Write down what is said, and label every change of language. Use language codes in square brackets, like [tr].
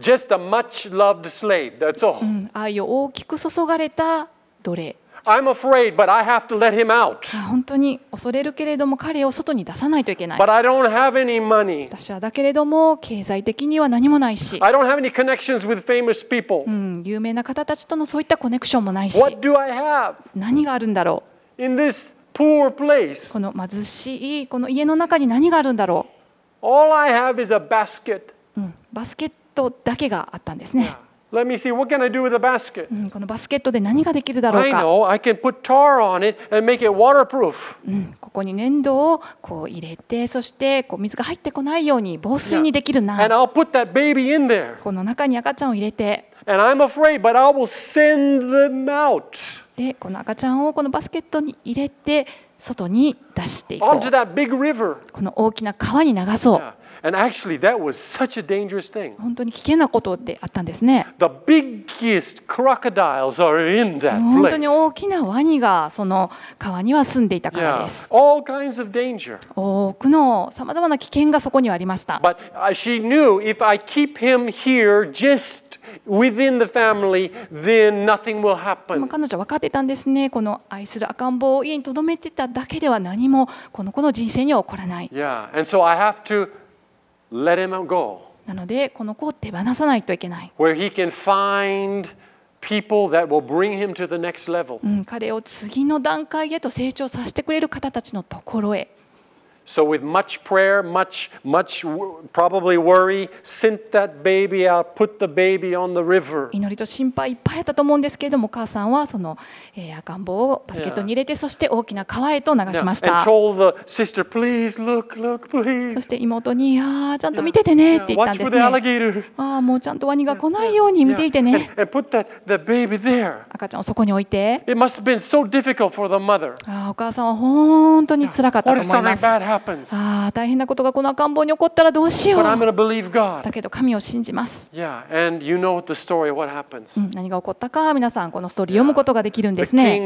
[en] Just a much loved slave, that's all. [ja] 愛を大きく注がれた奴隷。 [en] I'm afraid, but I have to let him out. [ja] 本当に恐れるけれども彼を外に出さないといけない。 [en] But I don't have any money. [ja] 私はだけれども経済的には何もないし。 [en] I don't have any connections with famous people. [ja] 有名な方たちとのそういったコネクションもないし。 [en] What do I have? [ja] 何があるんだろう。 [en] In this poor place. [ja] この貧しいこの家の中に何があるんだろう。 [en] All I have is a basket. [ja] バスケットだけがあったんですね。 [en] Let me see, what can I do with a basket? [ja] このバスケットで何ができるだろうか。 [en] I know, I can put tar on it and make it waterproof. [ja] ここに粘土をこう入れて、そしてこう水が入ってこないように防水にできるな。 [en] And I'll put that baby in there. [ja] この中に赤ちゃんを入れて。 [en] And I'm afraid, but I will send them out. [ja] で、この赤ちゃんをこのバスケットに入れて、外に出していこう。 [en] Onto that big river. [ja] この大きな川に流そう。 [en] Yeah. And actually, that was such a dangerous thing. [ja] 本当に危険なことであったんですね。 [en] The biggest crocodiles are in that place. [ja] 本当に大きなワニがその川には住んでいたからです。 [en] Yeah. All kinds of danger. [ja] 多くのさまざまな危険がそこにはありました。 [en] But she knew if I keep him here just within the family, then nothing will happen. [ja] 彼女は分かってたんですね。この愛する赤ん坊を家に留めてただけでは何もこの子の人生には起こらない。 [en] Yeah, and so I have to. Let him go. [ja] なのでこの子を手放さないといけない。 [en] Where he can find people that will bring him to the next level. [ja] 彼を次の段階へと成長させてくれる方たちのところへ。 [en] So with much prayer, much probably worry, sent that baby out, put the baby on the river. [ja] 祈りと心配いっぱいあったと思うんですけれども、お母さんはその赤ん坊をバスケットに入れて、そして大きな川へと流しました。 [en] And told the sister, please look, look, please. [ja] そして妹に、ああちゃんと見ててねって言ったんですね。 [en] Watch for the alligator. [ja] ああもうちゃんとワニが来ないように見ていてね。 [en] And put the baby there. [ja] 赤ちゃんをそこに置いて。 [en] It must have been so difficult for the mother. [ja] ああお母さんは本当に辛かったと思います。 [en] What if something bad [ja] ああ大変なことがこの赤ん坊に起こったらどうしよう。だけど神を信じます。 [en] Yeah, and you know the story of what happens. [ja] 何が起こったか皆さんこのストーリー読むことができるんですね。